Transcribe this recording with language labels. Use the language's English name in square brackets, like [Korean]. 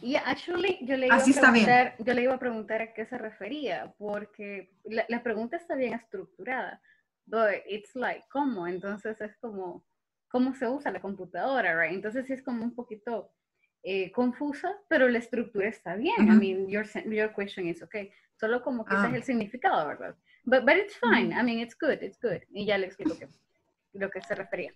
[Spanish] Y [English] actually [Spanish] yo le iba así a preguntar, yo le iba a preguntar a qué se refería porque la pregunta está bien estructurada. [English] But it's like [Spanish] cómo, entonces es como cómo se usa la computadora, [English] right? [Spanish] Entonces sí es como un poquito confusa, pero la estructura está bien. [English] Uh-huh. I mean, your question is okay. [Spanish] Solo como que ese es el significado, ¿verdad? [English] But it's fine. Uh-huh. I mean, it's good. It's good. [Spanish] Y ya le explico lo que se refería.